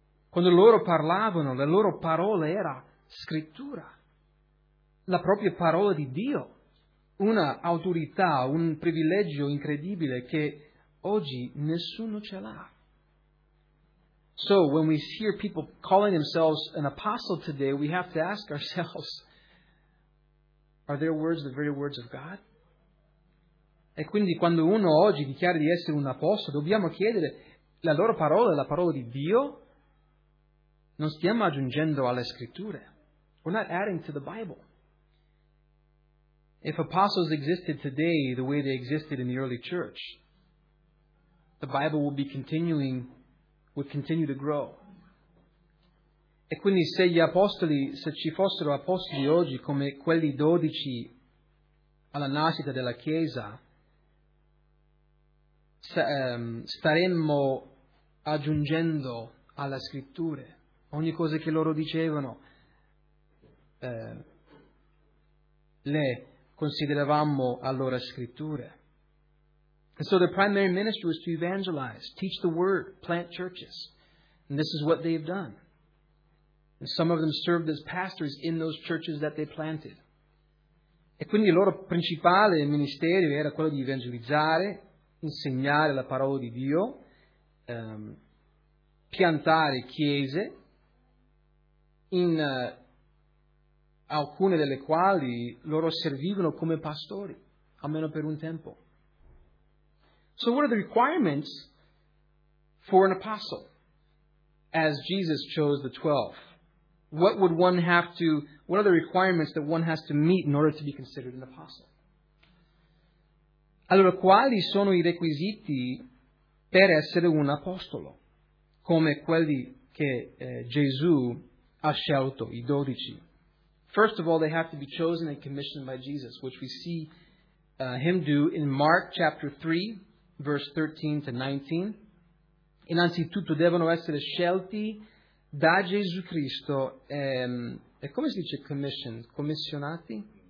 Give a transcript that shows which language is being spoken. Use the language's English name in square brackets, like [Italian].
[Italian] Quando loro parlavano, la loro parola era scrittura. La propria parola di Dio. Una autorità, un privilegio incredibile che oggi nessuno ce l'ha. [English] So when we hear people calling themselves an apostle today, we have to ask ourselves, are their words the very words of God? [Italian] E quindi quando uno oggi dichiara di essere un apostolo, dobbiamo chiedere, la loro parola è la parola di Dio? Non stiamo aggiungendo alle scritture. [English] We're not adding to the Bible. If apostles existed today the way they existed in the early church, the Bible would continue to grow. [Italian] E quindi se ci fossero apostoli oggi come quelli dodici alla nascita della Chiesa, staremmo aggiungendo alle scritture ogni cosa che loro dicevano, le consideravamo allora scritture. [English] And so the primary ministry was to evangelize, teach the word, plant churches. And this is what they've done. And some of them served as pastors in those churches that they planted. [Italian] E quindi il loro principale ministero era quello di evangelizzare, insegnare la parola di Dio, piantare chiese, in alcune delle quali loro servivano come pastori, almeno per un tempo. [English] So what are the requirements for an apostle as Jesus chose the 12? What are the requirements that one has to meet in order to be considered an apostle? [Italian] Allora, quali sono i requisiti per essere un apostolo? Come quelli che Gesù ha scelto, i dodici. [English] First of all, they have to be chosen and commissioned by Jesus, which we see him do in Mark chapter 3. Verse 13 to 19. [Italian] Innanzitutto devono essere scelti da Gesù Cristo. E come si dice commissioned? Commissionati?